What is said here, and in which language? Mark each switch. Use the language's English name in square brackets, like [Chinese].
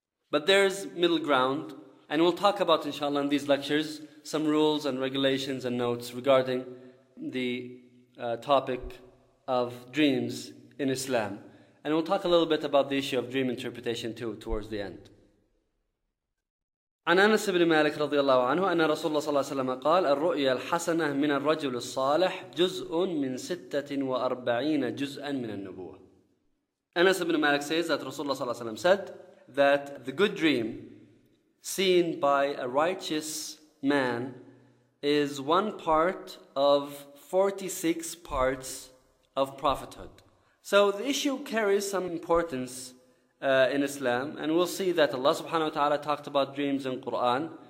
[English] But there's middle ground, and we'll talk about, inshallah, in these lectures, some rules and regulations and notes regarding the topic of dreams in Islam. And we'll talk a little bit about the issue of dream interpretation too, towards the end. [Arabic] عن أنس بن مالك رضي الله عنه أن رسول الله صلى الله عليه وسلم قال الرؤيا الحسنة من الرجل الصالح جزء من 46 جزءا من النبوة. [English] Anas ibn Malik says that Rasulullah [Arabic] صلى الله عليه وسلم [English] said that the good dream seen by a righteous man is one part of 46 parts of prophethood. So the issue carries some importance in Islam, and we'll see that Allah subhanahu wa ta'ala talked about dreams in Quran.